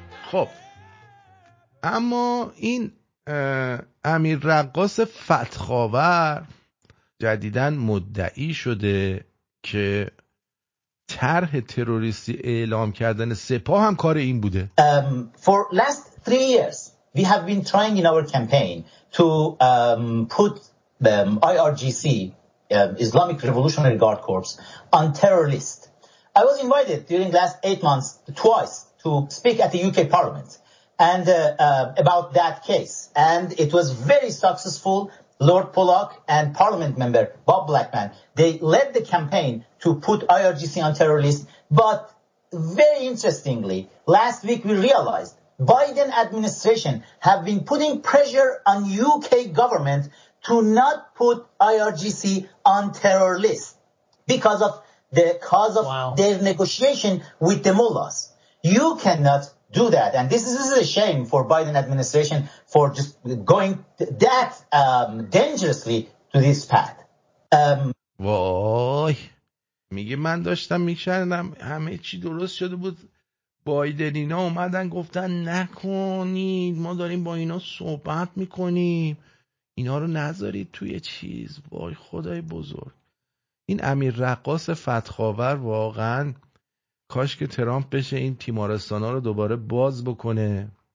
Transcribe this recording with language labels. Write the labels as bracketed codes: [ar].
[fa] خب اما این امیر رقاص فتخاور جدیداً مدعی شده که طرح تروریستی اعلام کردن سپاه هم کار این بوده. [en] For last 3 years we have been trying in our campaign to put IRGC Islamic Revolutionary Guard Corps on terror list. I was invited during last 8 months twice to speak at the UK Parliament and about that case, and it was very successful. Lord Pollock and Parliament member Bob Blackman, they led the campaign to put IRGC on terror list. But very interestingly, last week we realized Biden administration have been putting pressure on UK government to not put IRGC on terror list because of the cause of wow. their negotiation with the mullahs. You cannot do that. And this is a shame for Biden administration for just going that dangerously to this path. [fa] وای میگه من داشتم میکردم همه چی درست شده بود، بایدن اینا اومدن گفتن نکنید، ما داریم با اینا صحبت میکنیم، اینا رو نذارید توی چیز. وای خدای بزرگ، این امیر رقاص فتخاور واقعا کاش که ترامپ بشه این تیمارستانا رو دوباره باز بکنه.